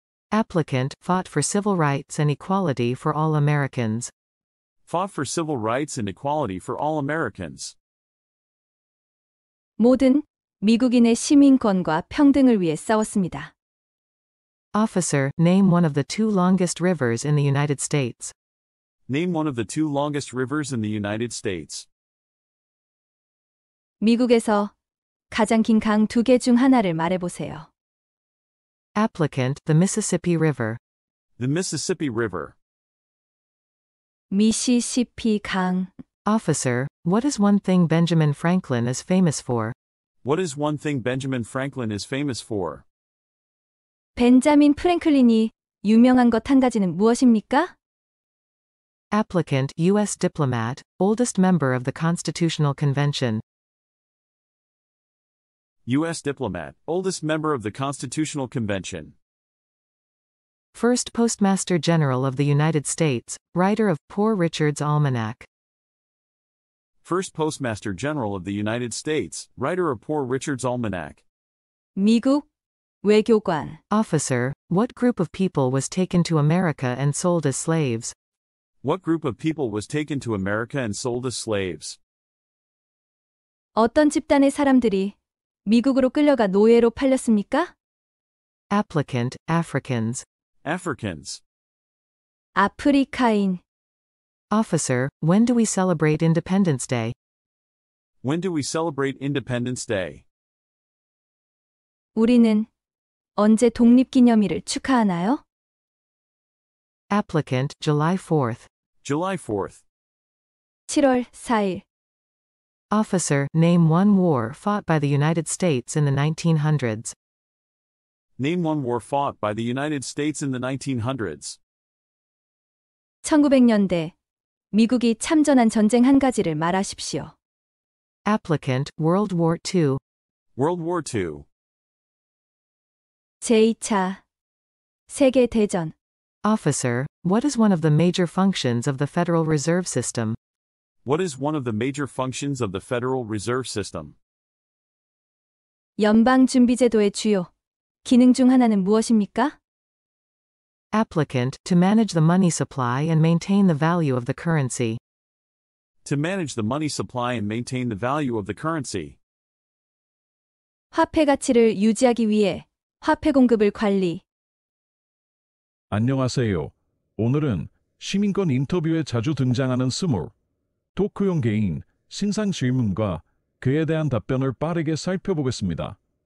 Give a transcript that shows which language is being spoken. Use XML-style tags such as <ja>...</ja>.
<en>Applicant, fought for civil rights and equality for all Americans. Fought for civil rights and equality for all Americans.</en> <ko>모든 미국인의 시민권과 평등을 위해 싸웠습니다.</ko> <en>Officer, name one of the two longest rivers in the United States. Name one of the two longest rivers in the United States.</en> <ko>미국에서 가장 긴 강 두 개 중 하나를 말해보세요.</ko> <en>Applicant, the Mississippi River. The Mississippi River.</en> <ko>미시시피 강.</ko> <en>Officer, what is one thing Benjamin Franklin is famous for? What is one thing Benjamin Franklin is famous for?</en> <ko>벤자민 프랭클린이 유명한 것 한 가지는 무엇입니까?</ko> <en>Applicant, U.S. diplomat, oldest member of the Constitutional Convention. U.S. diplomat, oldest member of the Constitutional Convention. First Postmaster General of the United States, writer of Poor Richard's Almanac. First Postmaster General of the United States, writer of Poor Richard's Almanac.</en> <ko>미국 외교관.</ko> <en>Officer, what group of people was taken to America and sold as slaves? What group of people was taken to America and sold as slaves?</en> <ko>어떤 집단의 사람들이 미국으로 끌려가 노예로 팔렸습니까?</ko> <en>Applicant, Africans. Africans.</en> <ko>아프리카인.</ko> <en>Officer, when do we celebrate Independence Day? When do we celebrate Independence Day?</en> <ko>우리는 언제 독립기념일을 축하하나요?</ko> <en>Applicant, July 4th. July 4th.</en> <ko>7월 4일.</ko> <en>Officer, name one war fought by the United States in the 1900s. Name one war fought by the United States in the 1900s.</en> <ko>1900년대 미국이 참전한 전쟁 한 가지를 말하십시오.</ko> <en>Applicant, World War II. World War II.</en> <ko>제2차 세계 대전.</ko> <en>Officer, what is one of the major functions of the Federal Reserve System? What is one of the major functions of the Federal Reserve System?</en> <ko>연방준비제도의 주요 기능 중 하나는 무엇입니까?</ko> <en>Applicant, to manage the money supply and maintain the value of the currency. To manage the money supply and maintain the value of the currency.</en> <ko>화폐 가치를 유지하기 위해 화폐 공급을 관리. 안녕하세요. 오늘은 시민권 인터뷰에 자주 등장하는 스몰 토크용 개인 신상 질문과 그에 대한 답변을 빠르게 살펴보겠습니다.</ko>